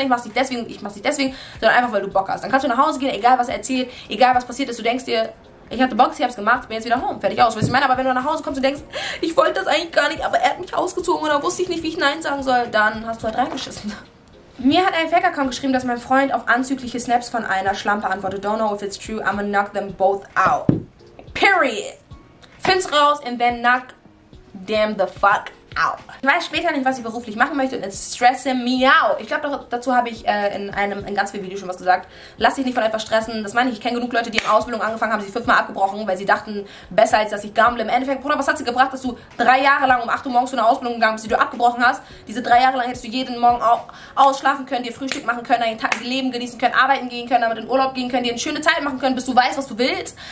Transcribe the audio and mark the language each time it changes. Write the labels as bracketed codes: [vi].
[de] Ich mache es nicht deswegen, sondern einfach, weil du Bock hast. Dann kannst du nach Hause gehen, egal was er erzählt, egal was passiert ist. Du denkst dir, ich hatte Bock, ich hab's gemacht, bin jetzt wieder home, fertig, aus. Weißt du, ich meine, aber wenn du nach Hause kommst und denkst, ich wollte das eigentlich gar nicht, aber er hat mich ausgezogen oder wusste ich nicht, wie ich Nein sagen soll, dann hast du halt reingeschissen. Mir hat ein Fake-Account geschrieben, dass mein Freund auf anzügliche Snaps von einer Schlampe antwortet. [en] Don't know if it's true, I'm gonna knock them both out. Period. [de] Find's raus [en] and then knock them the fuck out. [de] Ich weiß später nicht, was ich beruflich machen möchte und [en] it's stressing me out. [de] Ich glaube, dazu habe ich in ganz vielen Videos schon was gesagt. Lass dich nicht von etwas stressen. Das meine ich, ich kenne genug Leute, die in Ausbildung angefangen haben, sie 5-mal abgebrochen, weil sie dachten, besser als dass ich gamble. Im Endeffekt, Bruder, was hat sie gebracht, dass du 3 Jahre lang um 8 Uhr morgens zu einer Ausbildung gegangen bist, die du abgebrochen hast? Diese 3 Jahre lang hättest du jeden Morgen ausschlafen können, dir Frühstück machen können, deinen Tag dein Leben genießen können, arbeiten gehen können, damit in Urlaub gehen können, dir eine schöne Zeit machen können, bis du weißt, was du willst.